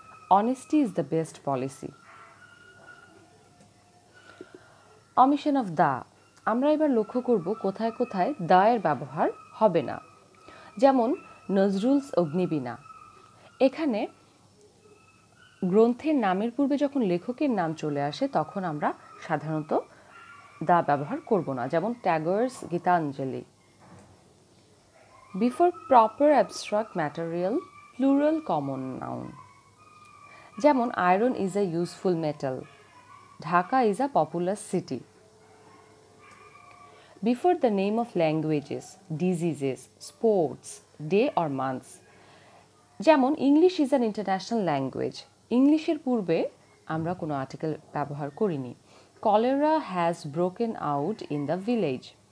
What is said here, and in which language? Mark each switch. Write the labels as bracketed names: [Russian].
[English] Honesty is the best policy. Omission of the. [Bangla] আমরা এবার লক্ষ্য করব কোথায় কোথায় দা এর ব্যবহার হবে না, যেমন নজরুলস অগ্নিবীণা। এখানে গ্রন্থের নামের পূর্বে যখন লেখকের নাম চলে আসে তখন আমরা সাধারণত দা ব্যবহার করব না, যেমন Tagore's Gitanjali. [English] before proper abstract material plural common noun, [Bangla] যেমন [English] Iron is a useful metal, Dhaka is a popular city. Before the name of languages, diseases, sports, day or months. [Bangla] Jemon, [English] English is an international language. [Bangla] English er purbe amra kono article byabohar korini. [English] Cholera has broken out in the village.